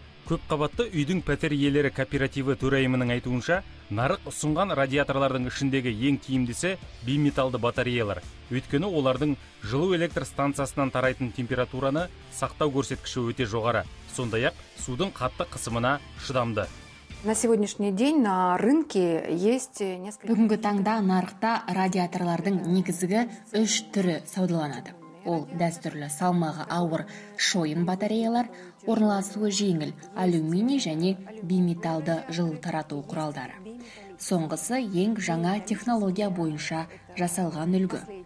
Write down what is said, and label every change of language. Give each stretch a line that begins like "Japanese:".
Kazakh: Көпқабатты үйдің пәтер иелері кооперативі төрайымының айтуынша, нарық ұсынған радиаторлардың ішіндегі ең тиімдісі биметалды батареялар. Өйткені олардың жылу электр станциясынан тарайтын температураны сақтау көрсеткіші өте жоғары. Сондай-ақ, судың қатты қысымына шыдамды.
Russian: На сегодняшний день на рынке есть несколько...
Kazakh: Бүгінгі таңда нарықта радиаторлардың негізгі үш түрі саудаланады. Ол дәстүрлі салмағы ауыр шойын батареялар, орналасуы жеңіл алюминий және биметалды жылу тарату құралдары. Соңғысы ең жаңа технология бойынша жасалған үлгі.